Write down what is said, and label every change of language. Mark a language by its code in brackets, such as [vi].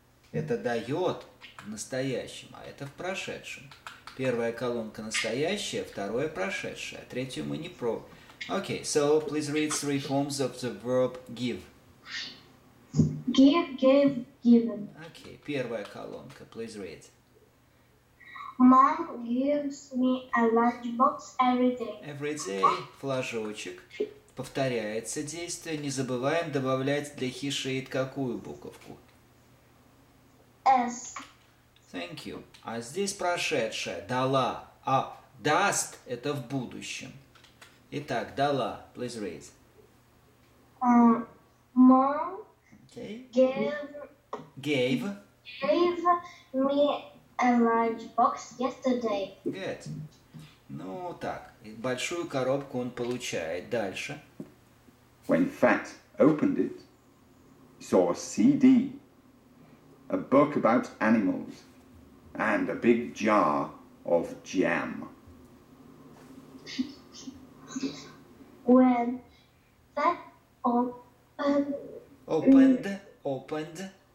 [ru] Это дает в настоящем, а это в прошедшем. Первая колонка настоящая, второе прошедшее, третью мы не пробуем. [en] Okay, so please read three forms of the verb give. Give, gave, given. Okay, [ru] первая колонка, [en] please read. Mom gives me a lunchbox every day. Every day, [ru] флажочек. Повторяется действие. Не забываем добавлять для he/she/it какую буковку? [en] S. Thank you. [ru] А здесь прошедшее. Дала. А даст – это в будущем. Итак, дала. [en] Please read. Mom gave me a large box yesterday. Good. [ru] Ну, так. Большую коробку он получает. Дальше. [en] When Fat opened it, he saw a CD, a book about animals, and a big jar of jam. When that opened